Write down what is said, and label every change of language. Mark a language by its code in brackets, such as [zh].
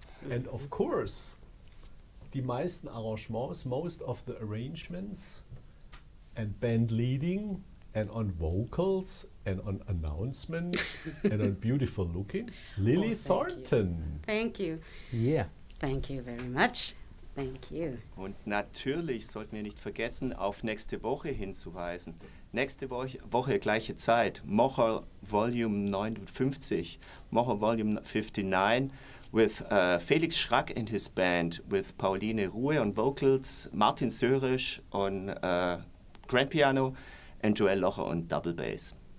[en] And of course, [de] die meisten Arrangements, [en] most of the arrangements and band leading and on vocals and on announcement and on beautiful looking, Lily Thornton. Thank you. Yeah. Thank you very much. Thank you. [de] Und natürlich sollten wir nicht vergessen, auf nächste Woche hinzuweisen. Nächste Woche gleiche Zeit. Mocher Volume 59. [en] Mocher Volume 59 with Felix Schrack and his band, with Pauline Ruhe on vocals, Martin Sörisch on grand piano, and Joel Locher on double bass.